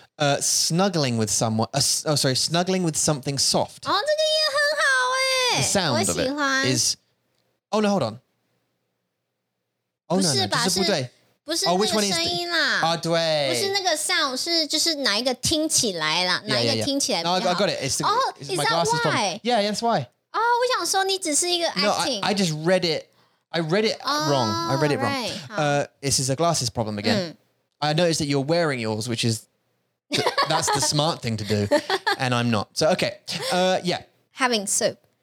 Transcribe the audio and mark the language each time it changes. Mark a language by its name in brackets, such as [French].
[English] snuggling with someone sorry snuggling with something soft [Chinese] 哦这个也很好耶 [English] The sound of it is Oh no hold on Oh [Chinese] 不是吧，是不是不是那个声音啦 [English] which one is the, [Chinese] 对不是那个sound 是就是哪一个听起来啦 哪一个听起来比较好 [English] No, I got it it's the, Oh it's is that why problem. Yeah that's why [Chinese] 哦我想说你只是一个acting [English] No I just read it I read it wrong This is a glasses problem again I noticed that you're wearing yours, which is, that's the smart thing to do, and I'm not. So, okay, yeah. Having soup.